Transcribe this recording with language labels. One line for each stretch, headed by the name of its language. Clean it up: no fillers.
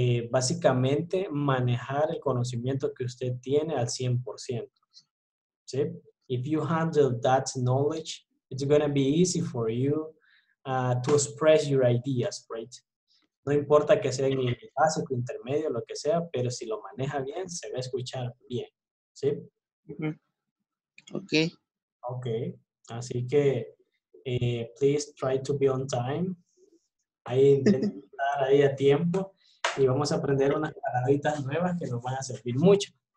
Spanish: Básicamente, manejar el conocimiento que usted tiene al 100%. ¿Sí?
English: If you handle that knowledge, it's gonna be easy for you to express your ideas, right?
Spanish: No importa que sea en el básico, intermedio, lo que sea, pero si lo maneja bien, se va a escuchar bien, ¿sí?
English: Mm-hmm. Okay.
Spanish: Así que,
English: please try to be on time.
Spanish: Ahí intenta estar ahí a tiempo y vamos a aprender unas palabritas nuevas que nos van a servir mucho.